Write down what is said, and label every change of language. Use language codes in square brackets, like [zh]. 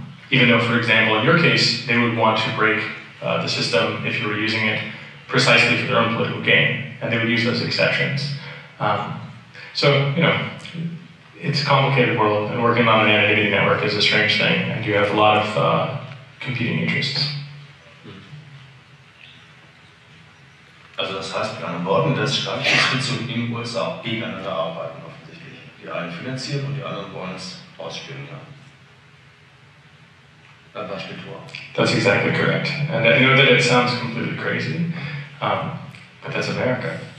[en] Even though, for example, in your case, they would want to break the system if you were using it precisely for their own political gain, and they would use those exceptions. So, you know, it's a complicated world, and working on an anonymity network is a strange thing, and you have a lot of competing interests. [de] Also, das heißt, mit anderen Worten, dass Staatsinstitutionen in den USA auch gegeneinander arbeiten, offensichtlich. Die einen finanzieren und die anderen wollen es ausspielen. Ja. [en] That's exactly correct. And I know that it sounds completely crazy, but that's America.